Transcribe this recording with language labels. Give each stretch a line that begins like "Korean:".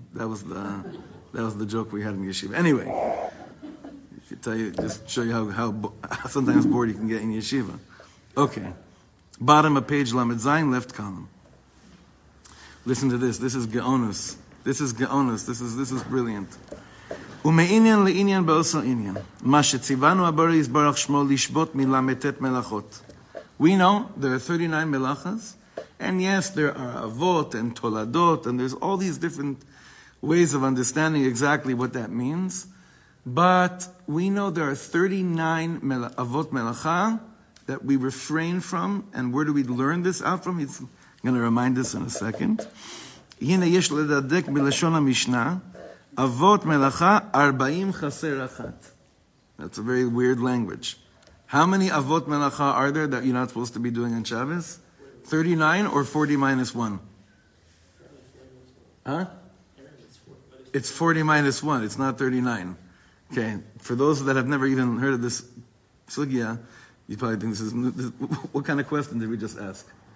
English: That was the joke we had in Yeshiva. Anyway, I should tell you, just show you how sometimes bored you can get in Yeshiva. Okay. Bottom of page Lamed Zayin, left column. Listen to this. This is Gaonus. This is brilliant.
Hebrew: ומעניין לעניין באוסר עניין. מה שציוונו הבורא יסברך שמו לשבות מלמתת מלאכות.
English: We know there are 39 מלאכות, and yes, there are אבות and תולדות, and there's all these different ways of understanding exactly what that means. But we know there are 39 אבות מלאכה that we refrain from, and where do we learn this out from? He's going to remind us in a second.
Hebrew: הנה יש לדדק מלשון המשנה, אבות מלאכה, 40 חסר אחת.
English: That's a very weird language. How many אבות מלאכה are there that you're not supposed to be doing on Shabbos? 39 or 40 minus 1? Huh? It's 40 minus 1, it's not 39. Okay, for those that have never even heard of this sugya, you probably think this is, what kind of question did we just ask?